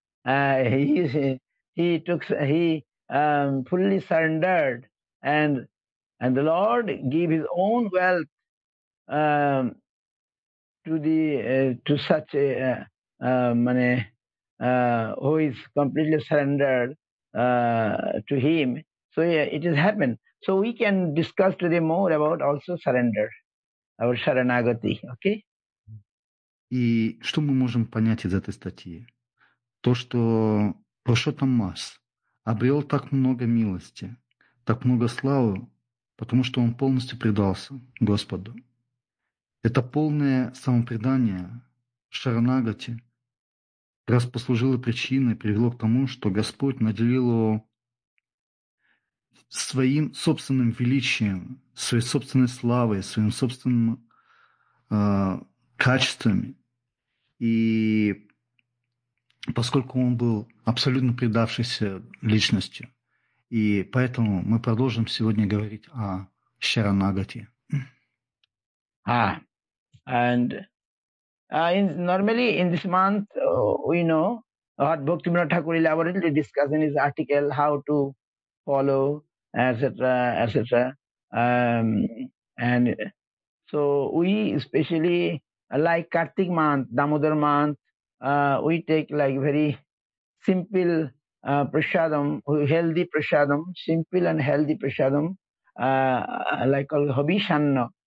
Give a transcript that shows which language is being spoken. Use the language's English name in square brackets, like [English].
[English] He fully surrendered, and the Lord gave his own wealth who is completely surrendered to him. So yeah, it has happened. So we can discuss today more about also surrender, our Sharanagati, okay? [Russian] И что мы можем понять из этой статьи? То, что Пуршот Аммас обрел так много милости, так много славы, потому что он полностью предался Господу. Это полное самопредание, шаранагати, раз послужило причиной, привело к тому, что Господь наделил его своим собственным величием, своей собственной славой, своим собственным качествами. И поскольку он был абсолютно предавшейся личностью, и поэтому мы продолжим сегодня говорить о Шаранагати. [English] Normally in this month, we know Lord Bhaktivinoda Thakur elaborately discussed in his article how to follow, etc., etc. And so we especially like Kartik month, Damodar month, we take like very simple prasadam, healthy prasadam, simple and healthy prasadam, like called Habishanna.